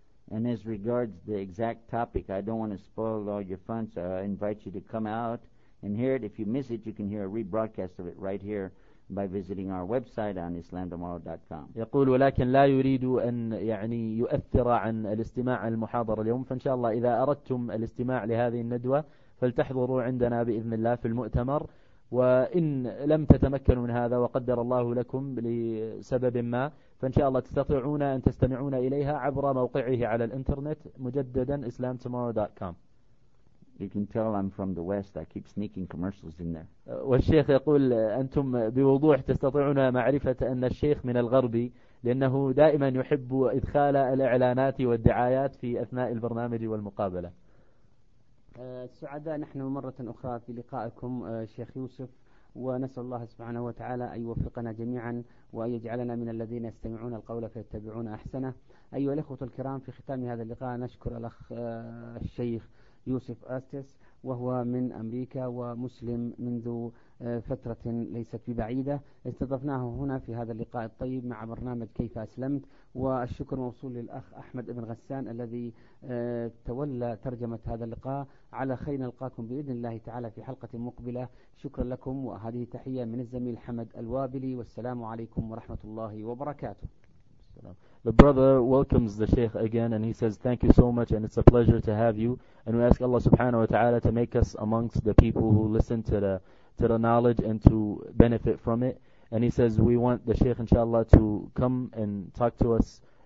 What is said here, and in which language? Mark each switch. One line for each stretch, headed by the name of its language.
English: And as regards the exact topic, I don't want to spoil all your fun, so I invite you to come out and hear it. If you miss it, you can hear a rebroadcast of it right here by visiting our website on islamtomorrow.com.
Arabic: يقول ولكن لا يريد أن يعني يؤثر عن الاستماع المحاضرة اليوم فإن شاء الله إذا أردتم الاستماع لهذه الندوة فلتحضروا عندنا بإذن الله في المؤتمر وإن لم تتمكنوا من هذا وقدر الله لكم لسبب ما فإن شاء الله تستطيعون أن تستمعون إليها عبر موقعه على الإنترنت مجددا islamtomorrow.com.
English: You can tell I'm from the West. I keep sneaking commercials in there.
Arabic: والشيخ يقول أنتم بوضوح تستطيعون معرفة أن الشيخ من الغرب لأنه دائما يحب إدخال الإعلانات والدعايات في أثناء البرنامج والمقابلة. سعداء نحن مرة أخرى في لقائكم شيخ يوسف ونسأل الله سبحانه وتعالى أن يوفقنا جميعا وأن يجعلنا من الذين يستمعون القول فيتبعون أحسنه. أيها الأخوة الكرام في ختام هذا اللقاء نشكر الأخ الشيخ يوسف أستس وهو من أمريكا ومسلم منذ فترة ليست ببعيدة استضفناه هنا في هذا اللقاء الطيب مع برنامج كيف أسلمت والشكر موصول للأخ أحمد بن غسان الذي تولى ترجمة هذا اللقاء على خير نلقاكم بإذن الله تعالى في حلقة مقبلة شكرا لكم وهذه تحية من الزميل حمد الوابلي والسلام عليكم ورحمة الله وبركاته. السلام.
English: The brother welcomes the Sheikh again and he says thank you so much and it's a pleasure to have you and we ask Allah subhanahu wa ta'ala to make us amongst the people who listen to the knowledge and to benefit from it and he says we want the Sheikh inshallah to come and talk to us